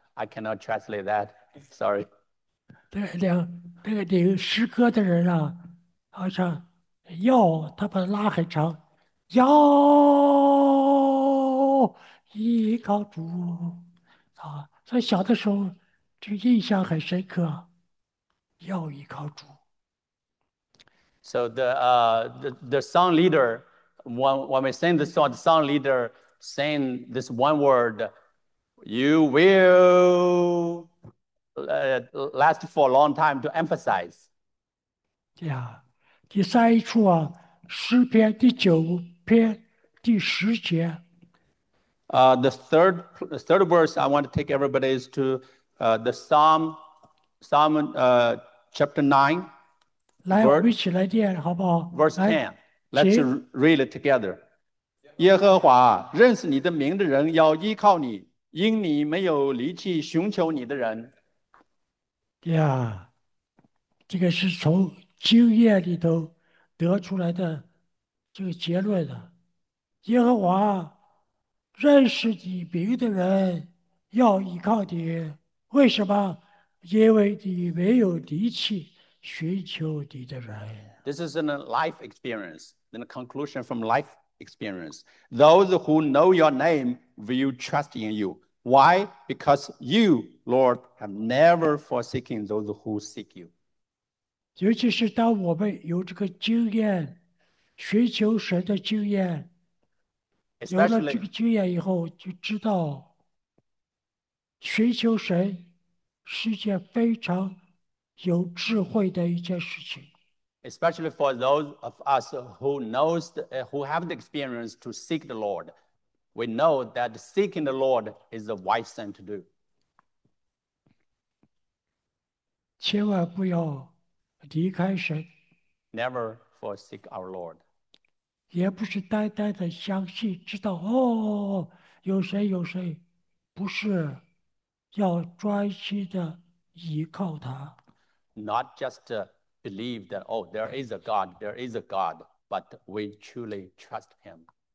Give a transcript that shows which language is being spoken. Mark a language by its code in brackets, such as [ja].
[en] I cannot translate that. Sorry. [zh] 那个领诗歌的人啊，好像要他把它拉很长，要依靠主啊。所以小的时候就印象很深刻，要依靠主。 [en] So the song leader, when we sing the song leader saying this one word, you will last for a long time to emphasize. [zh] 呀，第三一处啊，诗篇第9篇第10节。 [en] The third verse I want to take everybody is to the Psalm chapter 9, [zh] 来，我们一起来念，好不好？ [en] verse [zh] 来， [en] 10. Let's [zh] 请。 [en] read it together. [zh] 耶和华，认识你的名的人要依靠你，因你没有离弃寻求你的人。呀，这个是从经验里头得出来的这个结论呢，耶和华认识你名的人要依靠你，为什么？因为你没有离弃寻求你的人。 [en] This is a life experience, then a conclusion from life experience. Those who know your name will trust in you. Why? Because you, Lord, have never forsaken those who seek you. [zh] 尤其是当我们有这个经验，寻求神的经验，有了这个经验以后，就知道寻求神是件非常有智慧的一件事情。 [en] Especially for those of us who have the experience to seek the Lord, we know that seeking the Lord is the wise thing to do. [zh] 千万不要离开神， [en] Never forsake our Lord. [zh] 也不是呆呆的相信，知道哦，有谁有谁，不是，要专心的依靠他。 [en] Not just believe that, oh, there is a God, but we truly trust Him.